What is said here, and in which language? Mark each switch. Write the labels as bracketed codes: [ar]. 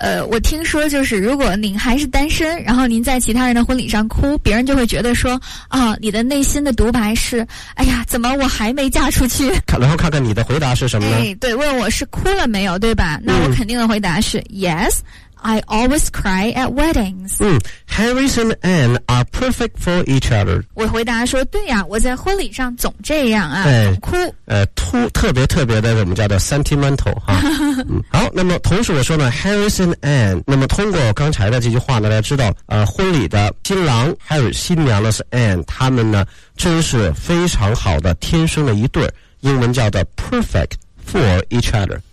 [zh] 我听说就是如果您还是单身，然后您在其他人的婚礼上哭，别人就会觉得说啊、你的内心的独白是，哎呀，怎么我还没嫁出去。然后看看你的回答是什么呢、对，问我是哭了没有，对吧？那我肯定的回答是、 [en] Yes, I always cry at weddings. Harris and Anne are perfect for each other. [zh] 我回答说，对呀，我在婚礼上总这样啊、哭。特别特别的我们叫做 sentimental 哈。好，那么同时我说呢 Harris and Anne， 那么通过刚才的这句话呢大家知道婚礼的新郎 Harris， 新娘呢是 Anne， 他们呢真是非常好的天生的一对，英文叫做 [en] perfect for each other。